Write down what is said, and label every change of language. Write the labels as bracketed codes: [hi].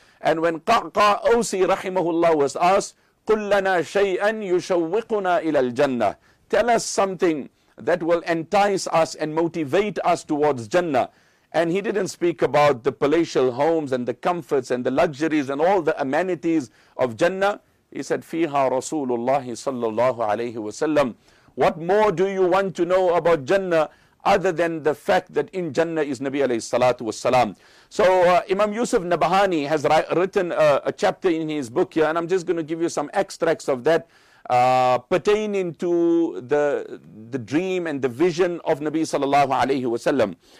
[en] And when Qa'qa Awsi rahimahullah was asked, [ar] قُلْ لَنَا شَيْئًا يُشَوِّقُنَا إِلَى الْجَنَّةِ. [en] Tell us something that will entice us and motivate us towards Jannah. And he didn't speak about the palatial homes and the comforts and the luxuries and all the amenities of Jannah. He said, [ar] فِيهَا رَسُولُ اللَّهِ صَلَّى اللَّهُ عَلَيْهِ وَسَلَّمُ. [en] What more do you want to know about Jannah other than the fact that in Jannah is Nabi alayhi salatu wasalam? So Imam Yusuf Nabahani has written a chapter in his book here, and I'm just going to give you some extracts of that pertaining to the dream and the vision of Nabi sallallahu alayhi wasallam.